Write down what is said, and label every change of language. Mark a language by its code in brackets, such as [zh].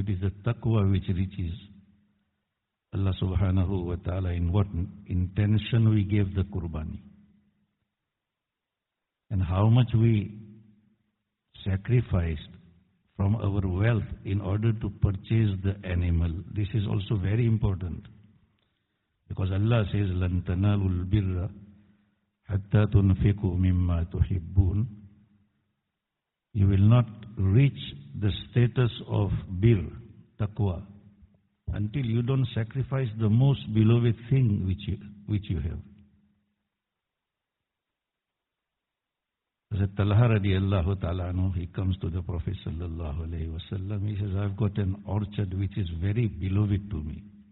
[en] It is the taqwa which reaches Allah subhanahu wa ta'ala in what intention we gave the qurbani. And how much we sacrificed from our wealth in order to purchase the animal. This is also very important. Because Allah says, [ar] لَنْ تَنَالُوا الْبِرَّ حَتَّى تُنْفِقُوا مِمَّا تُحِبُّونَ. [en] You will not reach the status of bir, taqwa, until you don't sacrifice the most beloved thing which you have. Hazrat Talha radiallahu ta'ala anhu, he comes to the Prophet sallallahu alayhi wa sallam, he says, I've got an orchard which is very beloved to me.